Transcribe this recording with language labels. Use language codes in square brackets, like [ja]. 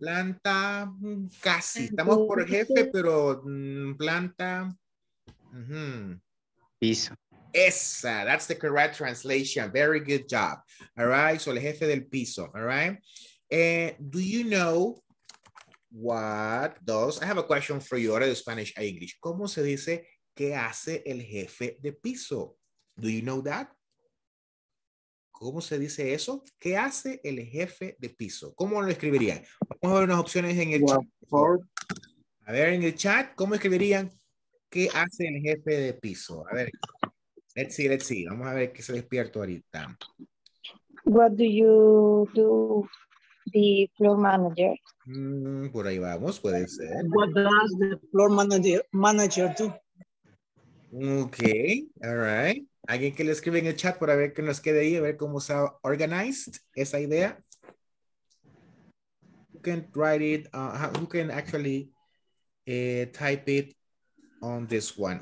[es] Planta, casi. Estamos por jefe, pero planta. Piso. [en] Esa, that's the correct translation. Very good job. All right, so [es] el jefe del piso. [en] All right. Do you know what does, I have a question for you, [es] ahora de [en] Spanish a English. [es] ¿Cómo se dice qué hace el jefe de piso? [en] Do you know that? [es] ¿Cómo se dice eso? ¿Qué hace el jefe de piso? ¿Cómo lo escribirían? Vamos a ver unas opciones en el chat. A ver, en el chat, ¿cómo escribirían qué hace el jefe de piso? A ver, [en] let's see, let's see. [es] Vamos a ver qué se despierta ahorita. [en] What do you do, the floor manager? [es] Por ahí vamos, puede ser. [en] What does the floor manager do? Okay, all right. [es] ¿Alguien que le escribe en el chat para ver que nos quede ahí, a ver cómo se ha organized esa idea? [en] Who can write it, who can actually type it on this one?